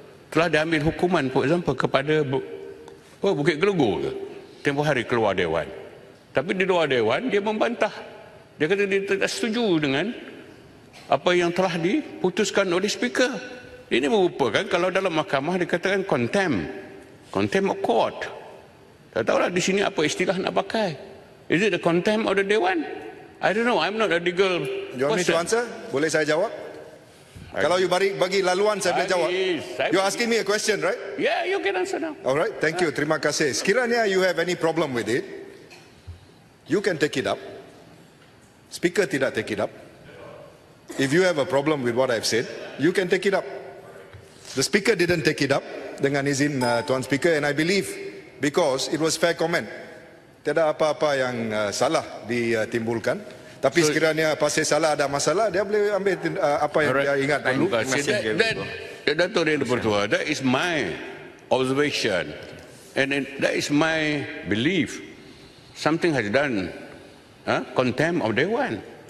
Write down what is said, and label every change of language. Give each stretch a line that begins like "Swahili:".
Malay: Telah diambil hukuman,
English: for example,
Malay: kepada Bukit Gelugur tempoh hari keluar Dewan. Tapi di luar Dewan, dia membantah. Dia kata dia tidak setuju dengan apa yang telah diputuskan oleh speaker. Ini merupakan kalau dalam mahkamah dikatakan contempt of court. Tak tahulah di sini apa istilah nak pakai.
English: Is it the contempt of the Dewan? I don't know, I'm not a legal you person. You want me to answer?
Malay: Boleh saya jawab? Kalau you bagi laluan, saya boleh jawab.
English: You asking me a question, right? Yeah, you can answer now. Alright, thank you.
Malay: Terima kasih.
English: Sekiranya you have any problem with it, you can take it up. Speaker tidak take it up. If you have a problem with what I've said, you can take it up. The speaker didn't take it up
Malay: dengan izin Tuan Speaker,
English: and I believe because it was fair comment.
Malay: Tiada apa-apa yang salah ditimbulkan. Tapi sekiranya pasal salah ada masalah, dia boleh ambil apa yang dia ingat dulu.
English: Datuk Yang Dipertua, that is my observation and that is my belief. Something has done contempt of Dewan.